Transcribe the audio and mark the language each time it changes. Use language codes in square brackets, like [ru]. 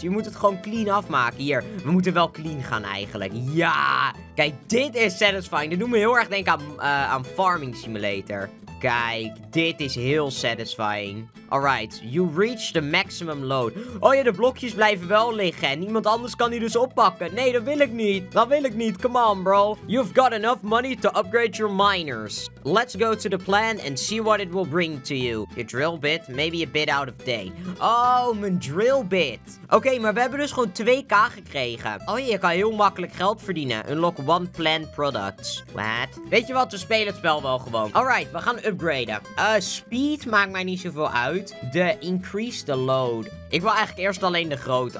[nl] Je moet het gewoon clean afmaken. Hier, we moeten wel clean gaan eigenlijk. Ja! Kijk, dit is satisfying. Dit doet me heel erg denken aan Farming Simulator. Kijk, dit is heel satisfying. [en] Alright, you reach the maximum load. [nl] Oh ja, de blokjes blijven wel liggen. En niemand anders kan die dus oppakken. Nee, dat wil ik niet. Dat wil ik niet. [en] Come on, bro. You've got enough money to upgrade your miners. Let's go to the plant and see what it will bring to you. Your drill bit, maybe a bit out of date. [nl] Oh, mijn drill bit. Oké, maar we hebben dus gewoon 2k gekregen. Oh ja, je kan heel makkelijk geld verdienen. [en] Unlock one plant products. What? [nl] Weet je wat, we spelen het spel wel gewoon. Alright, we gaan upgraden. Speed maakt mij niet zoveel uit. De [en] increase the load. [nl] Ik wil eigenlijk eerst alleen de grote.